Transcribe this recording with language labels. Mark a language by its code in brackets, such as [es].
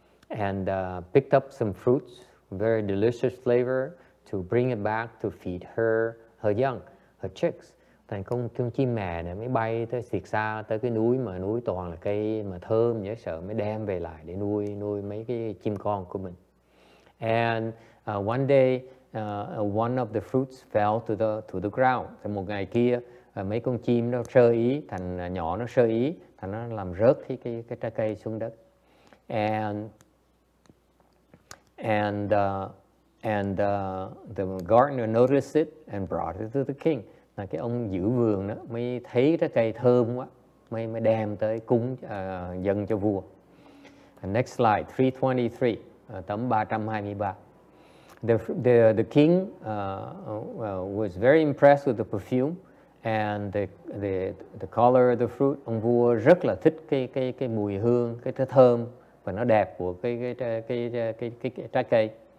[en] And picked up some fruits, very delicious flavor, to bring it back to feed her young, her chicks. [vi] Thành con chim mẹ này mới bay tới xịt xa tới cái núi mà núi toàn là cây mà thơm nhớ sợ mới đem về lại để nuôi mấy cái chim con của mình. [en] And one day one of the fruits fell to the ground. [vi] Thì một ngày kia mấy con chim nó sơ ý, thành nhỏ nó sơ ý, thành nó làm rớt cái trái cây xuống đất. [en] And the gardener noticed it and brought it to the king. [vi] Là cái ông giữ vườn đó mới thấy trái cây thơm quá, mới đem tới cúng dâng cho vua. [en] And next slide, 323, [vi] tấm 323. [en] The king was very impressed with the perfume and the color of the fruit. [vi] Ông vua rất là thích cái mùi hương, cái trái thơm và nó đẹp của cái trái cây.